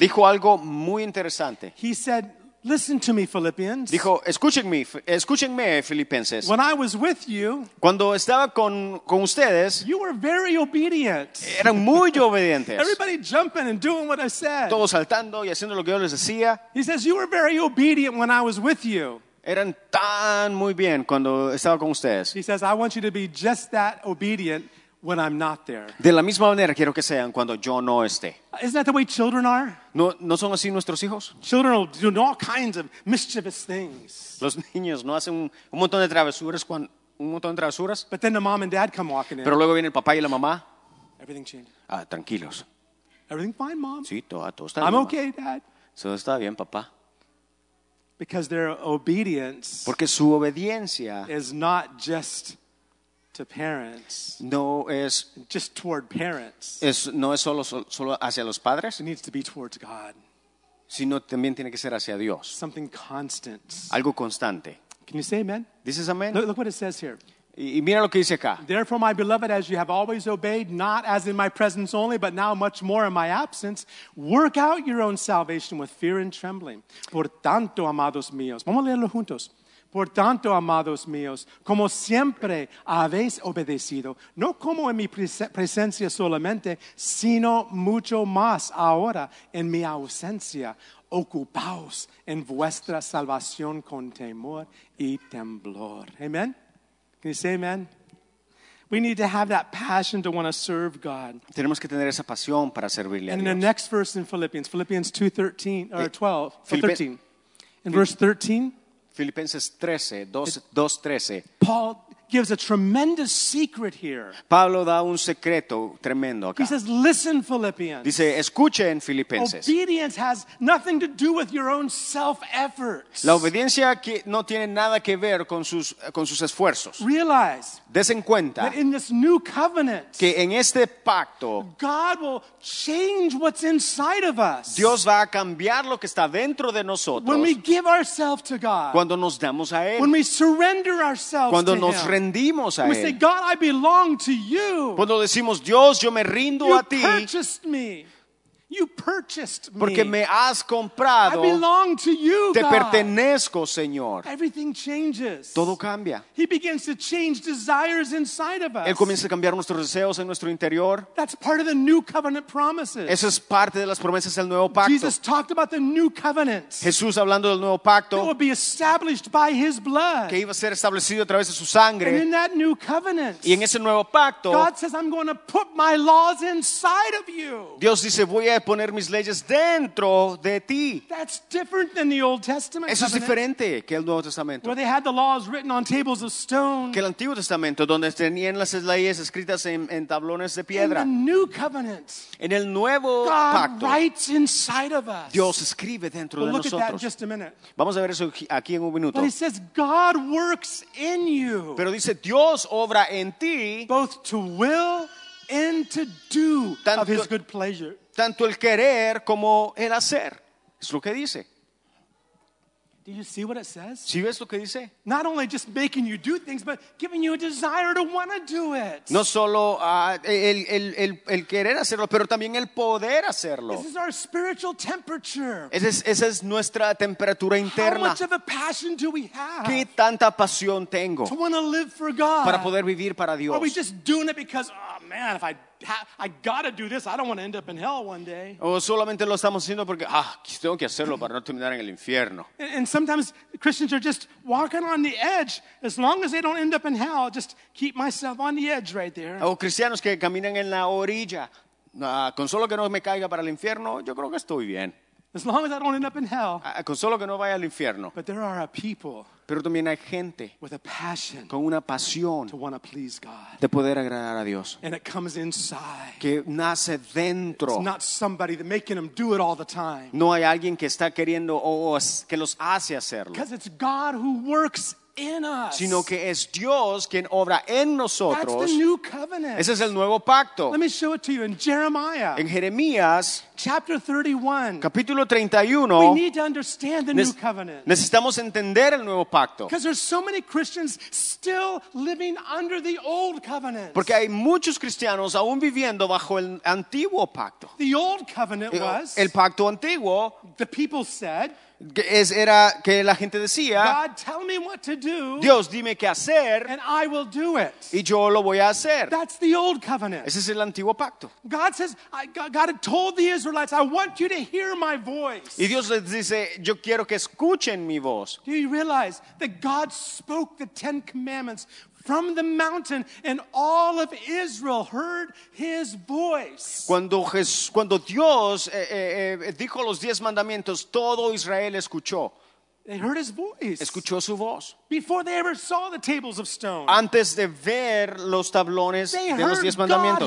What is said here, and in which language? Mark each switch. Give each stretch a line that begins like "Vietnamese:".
Spanish: Dijo algo muy interesante.
English: He said, listen to me, Philippians.
Spanish: Dijo, escúchenme, Filipenses.
English: When I was with you,
Spanish: cuando estaba con ustedes,
English: you were very obedient.
Spanish: Eran muy obedientes.
English: Everybody jumping and doing what I said.
Spanish: Todos saltando y haciendo lo que yo les decía.
English: He says, you were very obedient when I was with you.
Spanish: Eran tan muy bien cuando estaba con ustedes.
English: He says, I want you to be just that obedient when I'm not there.
Spanish: De la misma manera quiero que sean cuando yo no esté.
English: Isn't that the way children are?
Spanish: ¿No son así nuestros hijos?
English: Children will do all kinds of mischievous things.
Spanish: Los niños no hacen un montón de travesuras
English: But then the mom and dad come walking in.
Spanish: Pero luego viene el papá y la mamá.
English: Everything changed.
Spanish: Ah, tranquilos.
English: Everything fine, mom?
Spanish: Sí, todo está bien.
English: I'm okay, dad.
Spanish: Todo está bien, papá.
English: Because their obedience,
Spanish: porque su obediencia,
English: is not just to parents.
Spanish: No es
English: just toward parents.
Spanish: No es solo hacia los padres.
English: It needs to be towards God.
Spanish: Sino también tiene que ser hacia Dios.
English: Something constant.
Spanish: Algo constante.
English: Can you say amen?
Spanish: Dices amén.
English: Look what it says here.
Spanish: Y mira lo que dice acá.
English: Therefore, my beloved, as you have always obeyed, not as in my presence only, but now much more in my absence, work out your own salvation with fear and trembling.
Spanish: Por tanto, amados míos, vamos a leerlo juntos. Por tanto, amados míos, como siempre habéis obedecido, no como en mi presencia solamente, sino mucho más ahora en mi ausencia, ocupaos en vuestra salvación con temor y temblor.
English: Amen. Can you say amen? We need to have that passion to want to serve God.
Spanish: Tenemos que tener esa pasión para servirle a Dios.
English: And in the next verse in Philippians 2:13 or 12, 13. In verse 13,
Spanish: Filipenses 2:13.
English: Paul gives a tremendous secret here.
Spanish: Pablo da un secreto tremendo acá.
English: He says, listen, Philippians.
Spanish: Dice, escuchen, Filipenses.
English: Obedience has nothing to do with your own self-efforts.
Spanish: La obediencia que no tiene nada que ver con sus esfuerzos.
English: Realize.
Spanish: Desen cuenta.
English: That in this new covenant.
Spanish: Que en este pacto.
English: God will change what's inside of us.
Spanish: Dios va a cambiar lo que está dentro de nosotros.
English: When we give ourselves to God.
Spanish: Cuando nos damos a Él.
English: When we surrender ourselves
Spanish: cuando
English: to
Spanish: nos
English: Him.
Spanish: Rendimos a
English: we
Spanish: él.
English: Say, God, I belong to you.
Spanish: Cuando decimos, Dios, yo me rindo
English: you
Spanish: a ti.
English: Purchased me. You purchased me.
Spanish: Porque me has comprado.
English: I belong to you,
Spanish: te
English: God.
Spanish: Pertenezco, Señor.
English: Everything changes.
Spanish: Todo cambia.
English: He begins to change desires inside of us.
Spanish: Él comienza a cambiar nuestros deseos en nuestro interior.
English: That's part of the new covenant promises.
Spanish: Eso es parte de las promesas del nuevo pacto.
English: Jesus talked about the new covenant.
Spanish: Jesús hablando del nuevo pacto.
English: That would be established by His blood.
Spanish: Que iba a ser establecido a través de su sangre.
English: And in that new covenant.
Spanish: Y en ese nuevo pacto.
English: God says, I'm going to put my laws inside of you.
Spanish: Dios dice, voy a poner mis leyes dentro de ti.
English: That's different than the Old Testament.
Spanish: Eso es diferente que el Nuevo Testamento.
English: Where they had the laws written on tables of stone.
Spanish: Que el Antiguo Testamento donde tenían las leyes escritas en tablones de piedra.
English: In the new covenant.
Spanish: En el nuevo
English: God
Spanish: pacto.
English: God writes inside of us.
Spanish: Dios escribe dentro
English: we'll
Spanish: de nosotros.
English: Look at that in just a minute.
Spanish: Vamos a ver eso aquí en un minuto.
English: But he says God works in you.
Spanish: Pero dice Dios obra en ti.
English: Both to will and to do of His good pleasure.
Spanish: Tanto el querer como el hacer. Es lo que dice.
English: Do you see what it says?
Spanish: ¿Sí ves lo que dice?
English: Not only just making you do things, but giving you a desire to want to do it.
Spanish: No solo el querer hacerlo, pero también el poder hacerlo.
English: This is our spiritual temperature.
Spanish: Esa es nuestra temperatura interna.
English: How much of a passion do we have?
Spanish: ¿Qué tanta pasión tengo?
English: To want to live for God.
Spanish: Para poder vivir para Dios.
English: Are we just doing it because, oh man, if I gotta do this, I don't want to end up in hell one day.
Spanish: O solamente lo estamos haciendo porque tengo que hacerlo para no terminar en el infierno.
English: And sometimes Christians are just walking on the edge. As long as they don't end up in hell, just keep myself on the edge right there.
Spanish: O cristianos que caminan en la orilla, con solo que no me caiga para el infierno, yo creo que estoy bien.
English: As long as I don't end up in hell.
Spanish: Con solo que no vaya al infierno.
English: But there are a people.
Spanish: Pero también hay gente
English: with a passion
Spanish: con una pasión
English: to want to please God.
Spanish: De poder agradar a Dios.
English: And it comes inside.
Spanish: Que nace dentro.
English: It's not somebody that's making them do it all the time.
Spanish: No hay alguien que está queriendo que los hace hacerlo.
English: Because it's God who works in us.
Spanish: Sino que es Dios quien obra en nosotros.
English: That's the new covenant.
Spanish: Ese es el nuevo pacto.
English: Let me show it to you in Jeremiah.
Spanish: En Jeremías,
English: chapter 31.
Spanish: Capítulo 31.
English: We need to understand the new covenant.
Spanish: Necesitamos entender el nuevo pacto.
English: Because there's so many Christians still living under the old covenant.
Spanish: Porque hay muchos cristianos aún viviendo bajo el antiguo pacto.
English: The old covenant was.
Spanish: El pacto antiguo.
English: The people said.
Spanish: Era que la gente decía,
English: God, tell me what to do,
Spanish: Dios, dime qué hacer,
English: and I will do it.
Spanish: Y yo lo voy a hacer.
English: That's the old covenant.
Spanish: Ese es el antiguo pacto.
English: God says, God had told the Israelites, I want you to hear my voice.
Spanish: Y Dios les dice, yo quiero que escuchen mi voz.
English: Do you realize that God spoke the Ten Commandments from the mountain, and all of Israel heard His voice.
Spanish: Cuando Dios dijo los diez mandamientos, todo Israel escuchó.
English: They heard His voice.
Spanish: Escuchó su voz.
English: Before they ever saw the tables of stone.
Spanish: Antes de ver los tablones de los diez mandamientos.